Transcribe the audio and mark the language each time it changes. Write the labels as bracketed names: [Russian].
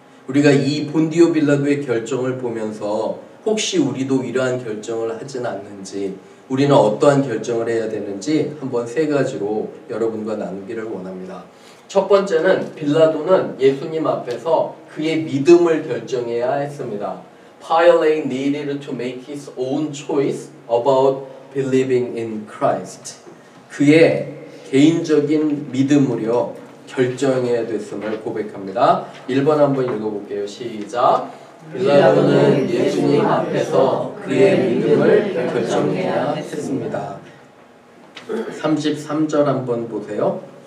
[Korean] 우리가 이 본디오 빌라도의 결정을 보면서 혹시 우리도 이러한 결정을 하진 않는지 우리는 어떠한 결정을 해야 되는지 한번 세 가지로 여러분과 나누기를 원합니다. 첫 번째는 빌라도는 예수님 앞에서 그의 믿음을 결정해야 했습니다. [English] Pilate needed to make his own choice about believing in Christ. [Korean] 그의 개인적인 믿음으로 결정해야 됐음을 고백합니다. 1번 한번 읽어볼게요. 시작! 빌라도는 예수님 앞에서 그의 믿음을 결정해야 했습니다. 33절 한번 보세요.